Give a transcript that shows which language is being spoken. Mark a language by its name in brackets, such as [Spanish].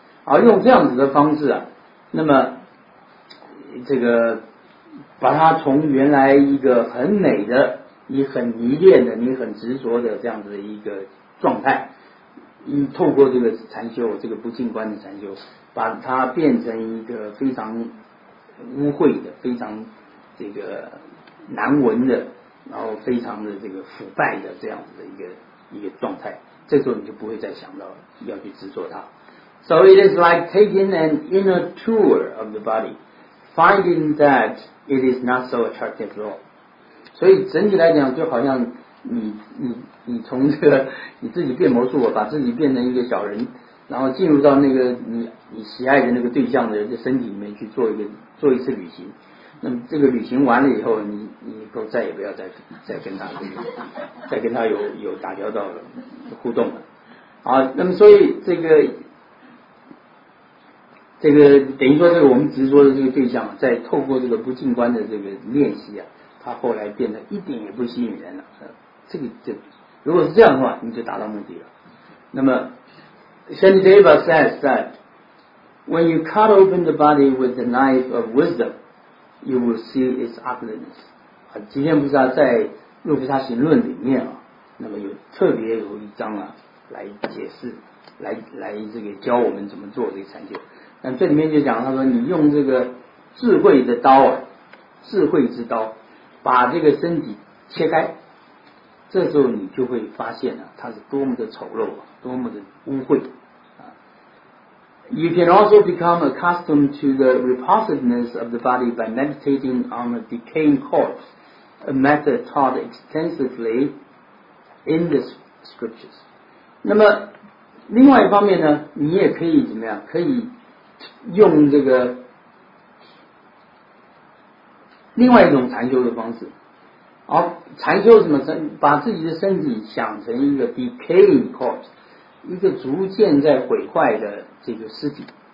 [Chinese] 而用这样子的方式啊，那么这个把它从原来一个很美的，你很迷恋的，你很执着的这样子的一个状态，你透过这个禅修，这个不净观的禅修，把它变成一个非常污秽的，非常这个难闻的，然后非常的这个腐败的这样子的一个状态，这时候你就不会再想到要去执着它。 [English] So it is like taking an inner tour of the body, finding that it is not so attractive at all。 [Chinese] 所以整体来讲，就好像你从这个你自己变魔术，把自己变成一个小人，然后进入到那个你喜爱的那个对象的身体里面去做一次旅行。那么这个旅行完了以后，你都再也不要再跟他有打交道了，互动了。好，那么所以这个等于说这个我们执着的这个对象，在透过这个不净观的这个练习啊，他后来变得一点也不吸引人了。这个就如果是这样的话，你就达到目的了。那么 [English] Shantideva says that when you cut open the body with the knife of wisdom, you will see its ugliness. [Chinese] 吉祥菩萨在入菩萨行论里面、啊、那么有特别有一章、啊、来解释 来这个教我们怎么做这个禅修。那这里面就讲他说你用这个智慧的刀、啊、智慧之刀把这个身体切开，这时候你就会发现、啊、它是多么的丑陋、啊、多么的污秽。 [English] You can also become accustomed to the repulsiveness of the body by meditating on a decaying corpse, a method taught extensively in the scriptures. [Chinese] 那么另外一方面呢，你也可以怎么样，可以用这个另外一种禅修的方式。好，禅修什么，把自己的身体想成一个 [English] decaying corpse， [Chinese] 一个逐渐在毁坏的这个尸体。